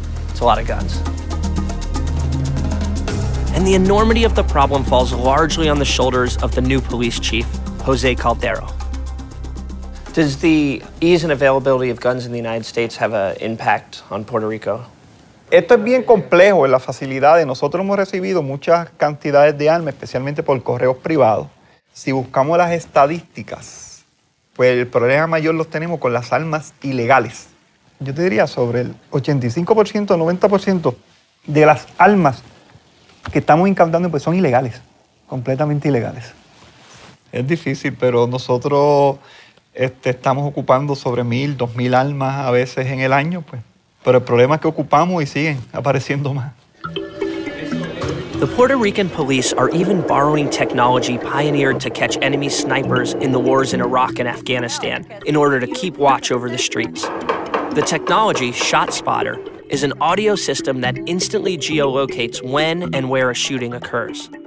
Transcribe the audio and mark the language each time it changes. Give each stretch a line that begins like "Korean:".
English: It's a lot of guns. And the enormity of the problem falls largely on the shoulders of the new police chief, Jose Caldero. Does the ease and availability of guns in the United States have an impact on Puerto Rico?
Spanish: Esto es bien complejo en las facilidades. Nosotros hemos recibido muchas cantidades de armas, especialmente por correos privados. Si buscamos las estadísticas, pues el problema mayor los tenemos con las armas ilegales. Yo te diría sobre el 85%, 90% de las armas que estamos incautando pues son ilegales, completamente ilegales. Es difícil, pero nosotros estamos ocupando sobre 1,000, 2,000 armas a veces en el año, pues. Pero el problema es que ocupamos y siguen apareciendo más.
English: The Puerto Rican police are even borrowing technology pioneered to catch enemy snipers in the wars in Iraq and Afghanistan in order to keep watch over the streets. The technology, ShotSpotter, is an audio system that instantly geolocates when and where a shooting occurs.